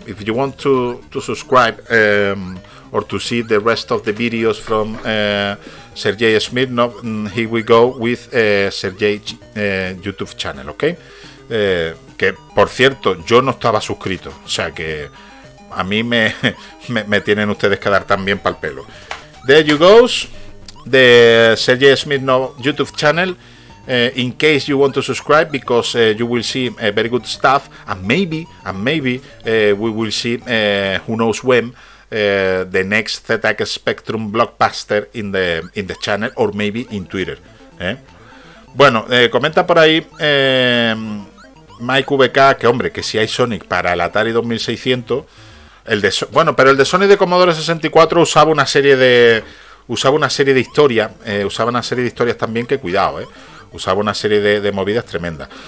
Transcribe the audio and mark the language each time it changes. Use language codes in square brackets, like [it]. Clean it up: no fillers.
[en] If you want to subscribe or to see the rest of the videos from Sergey Smirnov, here we go with Sergey YouTube channel, ¿ok? [es] Que por cierto, yo no estaba suscrito, o sea que a mí me tienen ustedes que dar también pa'l pelo. [en] There you go, the Sergey Smirnov YouTube channel. In case you want to subscribe, because you will see very good stuff, and maybe we will see who knows when the next ZX Spectrum blockbuster in the channel or maybe in Twitter. [es] Bueno, comenta por ahí Mike VK que, hombre, que si hay Sonic para el Atari 2600, el de pero el de Sonic de Commodore 64 usaba una serie de historias, usaba una serie de historias también que, cuidado, usaba una serie de movidas tremendas.